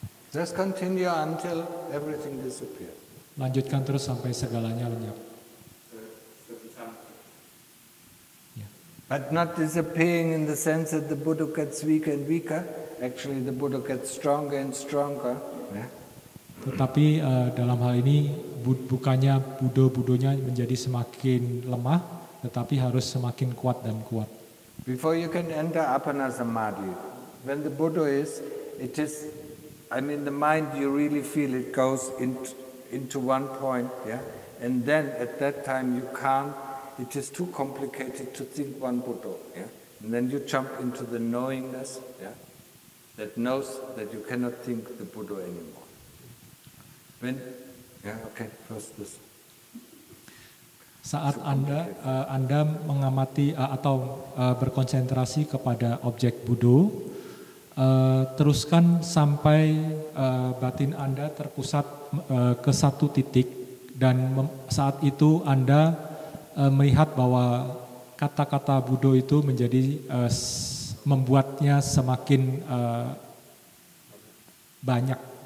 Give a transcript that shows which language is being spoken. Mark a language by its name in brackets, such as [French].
[English] Just continue until everything disappears. [Indonesian] Lanjutkan terus sampai segalanya lenyap. [English] But not disappearing in the sense that the Buddha gets weaker and weaker. Actually, the Buddha gets stronger and stronger. Yeah. [Indonesian] Tetapi dalam hal ini bukannya Buddha-Buddhanya menjadi semakin lemah, tetapi harus semakin kuat dan kuat. [English] Before you can enter Apana Samadhi, when the Buddha is, it is, I mean, the mind, you really feel it goes into one point, yeah? And then at that time you can't, it is too complicated to think one Buddha, yeah? And then you jump into the knowingness, yeah? That knows that you cannot think the Buddha anymore. When, yeah, okay, first this. [Indonesian] Saat Anda Anda mengamati atau berkonsentrasi kepada objek Buddha, teruskan sampai batin Anda terpusat ke satu titik, dan saat itu Anda melihat bahwa kata-kata Buddha itu menjadi membuatnya semakin banyak,